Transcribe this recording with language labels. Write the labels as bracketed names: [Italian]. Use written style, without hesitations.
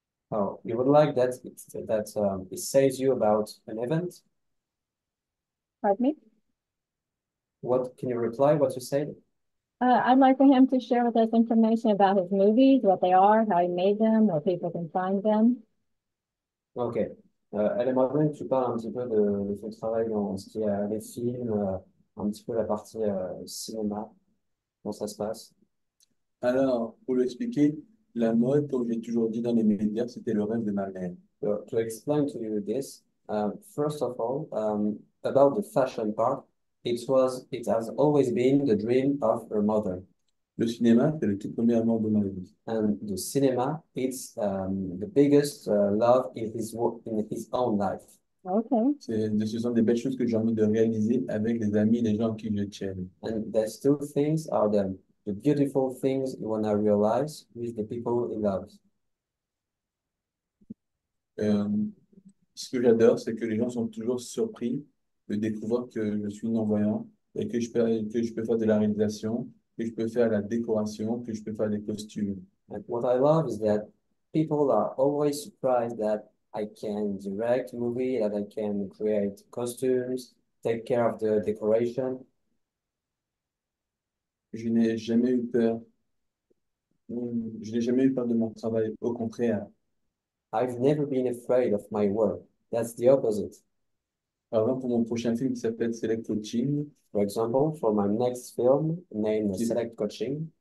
[English] Oh, you would like that? It says you about an event. Pardon me? What can you reply? What you said? I'd like for him to share with us information about his movies, what they are, how he made them, where people can find them. Okay. [French] Elle aimerait que tu parles un petit peu de son travail dans ce qui est les films, un petit peu la partie cinéma, comment ça se passe. Alors, pour lui expliquer, la mode, comme j'ai toujours dit dans les médias, c'était le rêve de ma mère. [English] So, to explain to you this, first of all, about the fashion part, it has always been the dream of her mother. [French] Le cinéma, c'est le tout premier amour de ma vie. [English] And the cinema, it's the biggest love in his own life. Okay. [French] Ce sont des belles choses que j'ai envie de réaliser avec les amis, les gens qui me tiennent. [English] And these two things are the beautiful things you want to realize with the people you love. [French] Ce que j'adore, c'est que les gens sont toujours surpris de découvrir que je suis non-voyant et que je peux faire de la réalisation. Que je peux faire la décoration, que je peux faire des costumes. [English] And what I love is that people are always surprised that I can direct movie, that I can create costumes, take care of the decoration. [French] Je n'ai jamais eu peur de mon travail, au contraire. [English] I've never been afraid of my work. That's the opposite. [French] Par exemple, pour mon prochain film qui s'appelle Select Coaching. [English] For example, for my next film named Select Coaching,